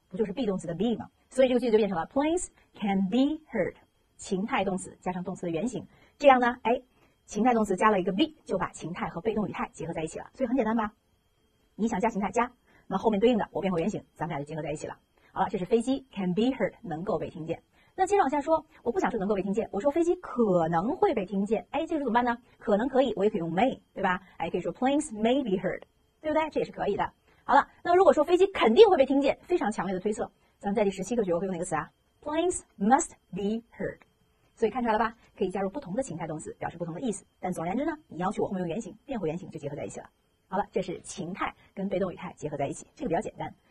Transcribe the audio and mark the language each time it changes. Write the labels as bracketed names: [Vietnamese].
[Chinese] 不就是 be 动词的 be 吗？所以这个句子就变成了 [English] planes can be heard， [Chinese] 情态动词加上动词的原型，这样呢哎，情态动词加了一个 be 就把情态和被动语态结合在一起了。所以很简单吧，你想加情态加，那后面对应的我变回原型，咱们俩就结合在一起了。好了，这是飞机 [English] can be heard， [Chinese] 能够被听见。那接着往下说，我不想说能够被听见，我说飞机可能会被听见，哎，这个怎么办呢？可能可以我也可以用 may， 对吧？哎，可以说 [English] planes may be heard， [Chinese] 对不对？这也是可以的。好了，那如果说飞机肯定会被听见，非常强烈的推测，咱们在第17课学会用哪个词啊？ [English] planes must be heard。 [Chinese] 所以看出来了吧，可以加入不同的情态动词表示不同的意思，但总而言之呢你要求我后面用原型，变回原型就结合在一起了。好了，这是情态跟被动语态结合在一起，这个比较简单。